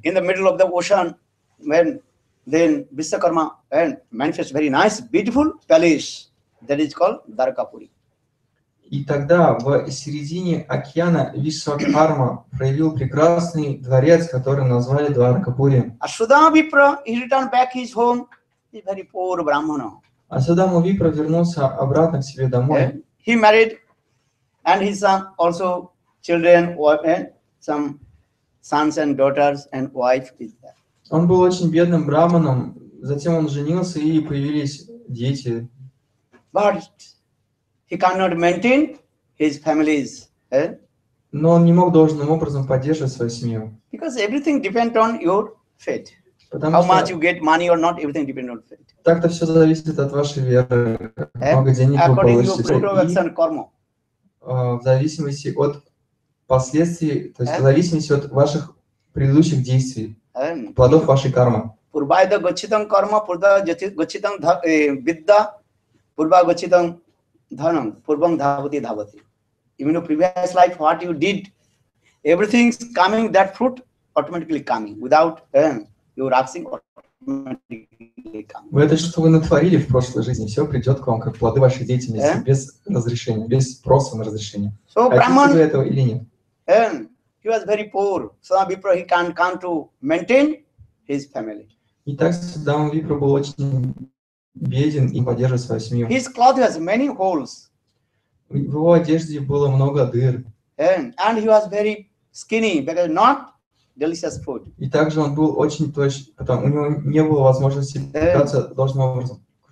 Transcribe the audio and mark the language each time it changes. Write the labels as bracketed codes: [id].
[en] In the middle of the ocean, when then Vishwakarma and manifest very nice, beautiful palace, that is called Dwarakapuri. [ru] И тогда в середине океана Вишвакарма проявил прекрасный дворец, который назвали Дваракапури. [en] Асудама Випра, he returned back his home, he is very poor brahmana. [ru] Асудама Випра вернулся обратно к себе домой. [en] He married, and his son also children, some sons and daughters and wife is there. [ru] Он был очень бедным брахманом, затем он женился и появились дети. [en] But he cannot maintain his family's. [ru] Но он не мог должным образом поддерживать свою семью. [en] Because everything depends on your faith. How much you get money or not, everything depends on faith. [ru] Так-то все зависит от вашей веры. Много денег вы получите. В зависимости от последствий, то есть в зависимости от ваших предыдущих действий, плодов вашей кармы. [sa] Пурбайда гачитам карма, пурда гачитам бидда, пурба гачитам dhanam purvam dhavati dhavati. [en] Even your previous life, what you did, everything's coming, that fruit automatically coming without your asking, automatically coming. [ru] Это что вы натворили в прошлой жизни, все придет к вам как плоды вашей деятельности без разрешения, без спроса на разрешение. [en] So Brahman, [ru] хотите вы этого или нет? [en] He was very poor, so Vipra, he can't come to maintain his family. [ru] Итак, Судама Випра был очень беден и поддерживает свою семью. [en] His cloth has many holes. [ru] В его одежде было много дыр. [en] And he was very skinny, because not delicious food. [ru] И также он был очень тощ, потому у него не было возможности питаться должным образом.